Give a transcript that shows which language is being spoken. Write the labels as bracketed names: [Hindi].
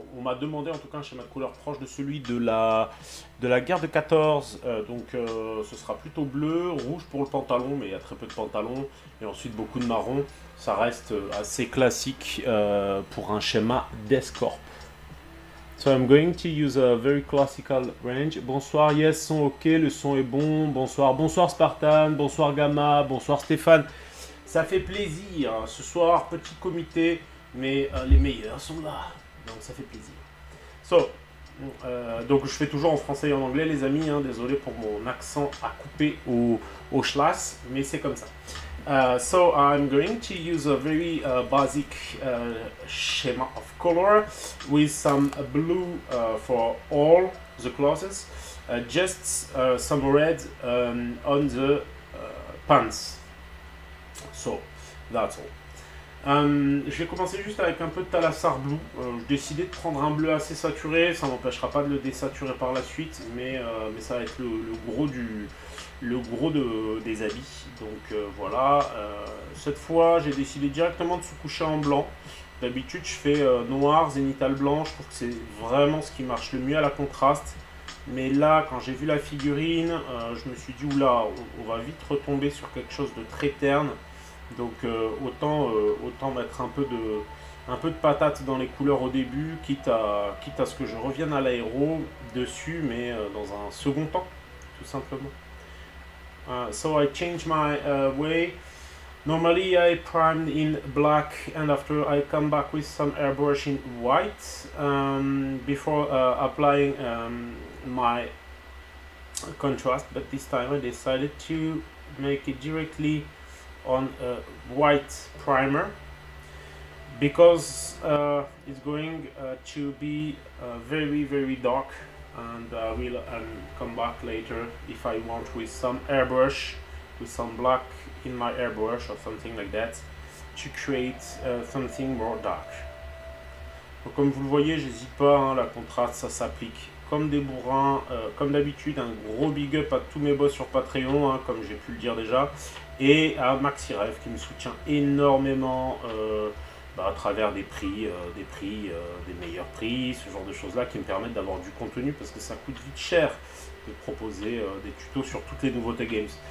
[French] On m'a demandé en tout cas un schéma de couleur proche de celui de la guerre de 14. Ce sera plutôt bleu, rouge pour le pantalon, mais il y a très peu de pantalons. Et ensuite, beaucoup de marron. Ça reste assez classique pour un schéma Death Corp. [English] So I'm going to use a very classical range. [French] Bonsoir, yes, son ok, le son est bon. Bonsoir, bonsoir Spartan, bonsoir Gamma, bonsoir Stéphane. Ça fait plaisir, ce soir, petit comité, mais les meilleurs sont là. Donc ça fait plaisir. So, donc je fais toujours en français et en anglais, les amis. Hein, désolé pour mon accent à couper au schlass, mais c'est comme ça. [English] So I'm going to use a very basic schema of color with some blue for all the classes, just some red on the pants. So that's all. [French] Je vais commencer juste avec un peu de Thalassar Blue. J'ai décidé de prendre un bleu assez saturé, ça m'empêchera pas de le désaturer par la suite, mais ça va être le gros des habits. Donc voilà, cette fois j'ai décidé directement de se coucher en blanc. D'habitude je fais noir, zénithal blanc, je trouve que c'est vraiment ce qui marche le mieux à la contraste. Mais là, quand j'ai vu la figurine, je me suis dit, oula, on va vite retomber sur quelque chose de très terne. Donc autant mettre un peu de patate dans les couleurs au début, quitte à ce que je revienne à l'aéro dessus, mais dans un second temps, tout simplement. [English] So I change my way. Normally I prime in black and after I come back with some airbrush in white before applying my contrast. But this time I decided to make it directly on a white primer because it's going to be very very dark, and I will come back later if I want with some airbrush, with some black in my airbrush or something like that, to create something more dark. [French] Donc, comme vous le voyez, j'hésite pas, hein, la contraste ça s'applique comme des bourrins, comme d'habitude. Un gros big up à tous mes boss sur Patreon, hein, comme j'ai pu le dire déjà. Et à Maxi Rêve qui me soutient énormément à travers des meilleurs prix, ce genre de choses-là qui me permettent d'avoir du contenu parce que ça coûte vite cher de proposer des tutos sur toutes les nouveautés games.